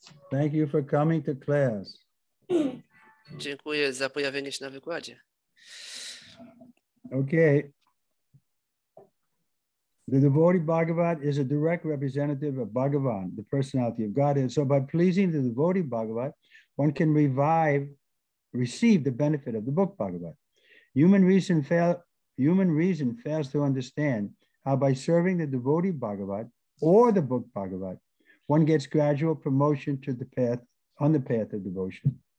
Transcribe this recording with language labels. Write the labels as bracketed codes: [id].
[en] Thank you for coming to class. [pl] Dziękuję za pojawienie się na wykładzie. [en] Okay. The devotee Bhagavat is a direct representative of Bhagavan, the personality of Godhead. So by pleasing the devotee Bhagavat, one can receive the benefit of the book Bhagavat. Human reason fails to understand how by serving the devotee Bhagavat or the book Bhagavat, one gets gradual promotion on the path of devotion.